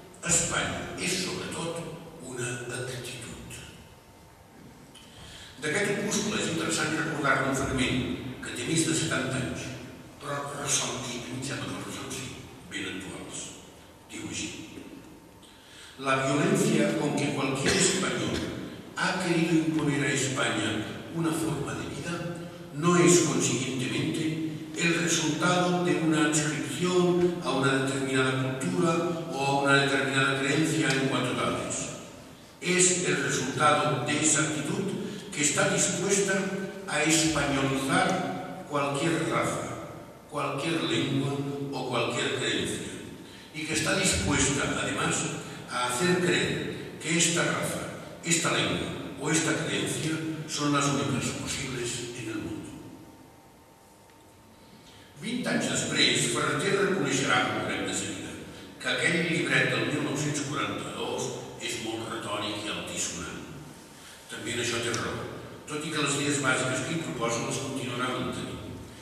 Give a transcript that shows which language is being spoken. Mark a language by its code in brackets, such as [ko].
[ca] Espanya és, sobretot, una actitud. D'aquest opuscle és interessant recordar-ne un fragment que té més de 70 anys, però ressalti, em sembla que ressalti, ben actuals. Diu així: [es] la violencia con que cualquier español ha querido imponer a España una forma de vida no es, consiguientemente, el resultado de una adscripción a una determinada cultura o a una determinada creencia en cuanto tales. Es el resultado de esa actitud que está dispuesta a españolizar cualquier raza, cualquier lengua o cualquier creencia, y que está dispuesta, además, a hacer creer que esta raza, esta lengua o esta creencia son las únicas posibles en el mundo. [ca] 20 anys després, Ferrater reconeixerà, crec de seguida, que aquell llibret del 1942 és molt retòric i altisonant. També en això té raó, tot i que les idees bàsiques que hi proposa les continuarà mantenint.